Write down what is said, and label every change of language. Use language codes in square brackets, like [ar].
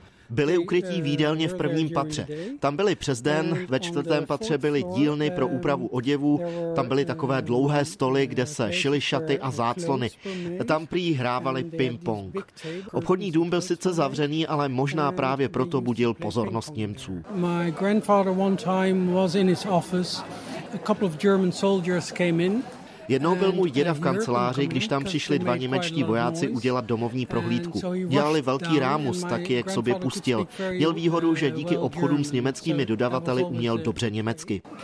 [cs] Byli ukrytí v jídelně v prvním patře. Tam byli přes den, ve čtvrtém patře byly dílny pro úpravu oděvů, tam byly takové dlouhé stoly, kde se šily šaty a záclony. Tam prý hrávali ping-pong. Obchodní dům byl sice zavřený, ale možná právě proto budil pozornost Němců. [en] My grandfather one time was in his office. A couple of German soldiers came in. [cs] Jednou byl můj děda v kanceláři, když tam přišli dva němečtí vojáci udělat domovní prohlídku. Dělali velký rámus, tak je k sobě pustil. Měl výhodu, že díky obchodům s německými dodavateli uměl dobře německy.